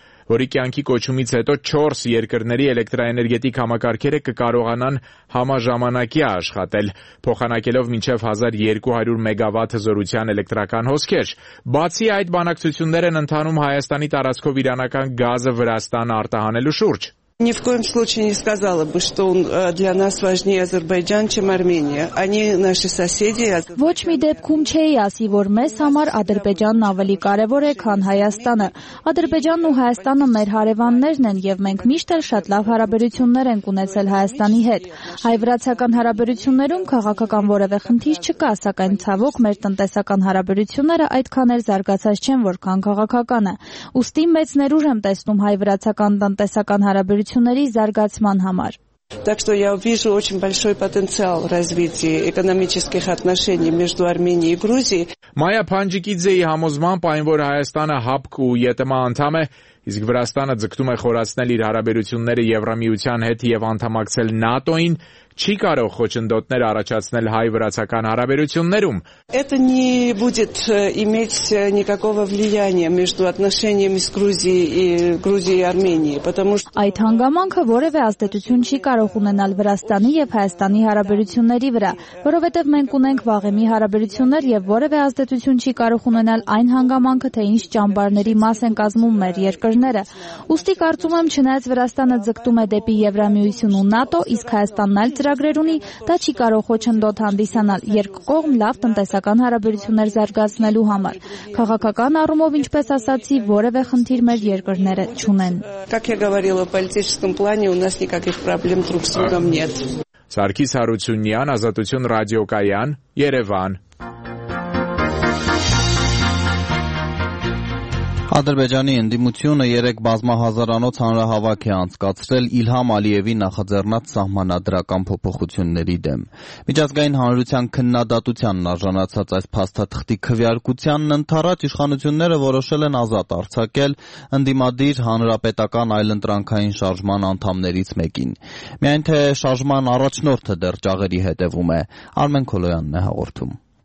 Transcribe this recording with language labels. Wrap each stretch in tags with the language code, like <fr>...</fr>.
<hy>որի կյանքի կոչումից հետո 4 երկրների էլեկտրաէներգետիկ համակարգերը կկարողանան համաժամանակի աշխատել, փոխանակելով մինչև 1200 մեգավատ հզորության էլեկտրական հոսքեր։ Բացի այդ, բանակցություններ են ընդնանում Հայաստանի տարածքով իրանական գազը Վրաստան արտահանելու շուրջ։</hy> <ru>Ни в коем случае не сказала бы, что он для нас важнее Азербайджан, чем Армения. Они наши соседи.</ru> <hy>Ոչ մի դեպքում չէի ասի, որ մեզ համար Ադրբեջանն ավելի կարևոր է, քան Հայաստանը։ Ադրբեջանն ու Հայաստանը մեր հարևաններն են, եւ մենք միշտ էլ շատ լավ հարաբերություններ ենք ունեցել Հայաստանի հետ։ Հայ-վրացական հարաբերություններում քաղաքական որևէ խնդիր չկա, սակայն ցավոք մեր տնտեսական հարաբերությունները այդքան էլ զարգացած չեն, որքան քաղաքականը։ Ուստի մեծ ներուժ եմ տեսնում հայ-վրացական տնտեսական հարաբերությունների զարգացման համար։</hy> <ru>Так что я вижу очень большой потенциал развития экономических отношений между Арменией и Грузией.</ru> <hy>Մայա Փանջիկիձեի համոզմամբ, այն որ Հայաստանը հապկ ու յետմա անդամ է, իսկ Վրաստանը ձգտում է խորացնել իր հարաբերությունները Եվրամիության հետ եւ անդամակցել ՆԱՏՕ-ին, չի կարող խոչընդոտներ առաջացնել հայ-վրացական հարաբերություններում։</hy> <ru>Это не будет иметь никакого влияния между отношениями с Грузией и Грузией и Арменией, потому что</ru> <hy>Այդ հանգամանքը որևէ ազդեցություն չի կարող ունենալ Վրաստանի եւ Հայաստանի հարաբերությունների վրա, որովհետեւ մենք ունենք վաղեմի հարաբերություններ եւ որևէ ազդեցություն չի կարող ունենալ այն հանգամանքը, թե ինչ ճամբարների մաս են կազմում մեր երկրները։ Ուստի կարծում եմ, չնայած Վրաստանը ձգտում է դեպի Եվրամիություն ու ՆԱՏՕ, իսկ Հայաստանն այլ ծրագրեր ունի, դա չի կարող խոչընդոտ հանդիսանալ երկկողմ լավ տնտեսական հարաբերություններ զարգացնելու համար։ Քաղաքական առումով, ինչպես ասացի, որևէ խնդիր մեր երկրները չունեն։</hy> <ru>Как я говорила, в политическом плане у нас никаких проблем друг с другом нет.</ru> <hy>Սարգիս Հարությունյան, Ազատություն Ռադիոկայան, Երևան։ Ադրբեջանի ընդդիմությունը 3 բազմահազարանոց հանրահավաք է անցկացրել Իլհամ Ալիևի նախաձեռնած սահմանադրական փոփոխությունների դեմ։ Միջազգային հանրության քննադատությանն արժանացած այս փաստաթղթի քվեարկությանն ընդառաջ իշխանությունները որոշել են ազատ արձակել ընդդիմադիր հանրապետական այլընտրանքային շարժման անդամներից մեկին։ Միայն թե շարժման առաջնորդը դեռ ճաղերի հետևում է, Արմեն Քոլոյանն է հաղորդում։</hy>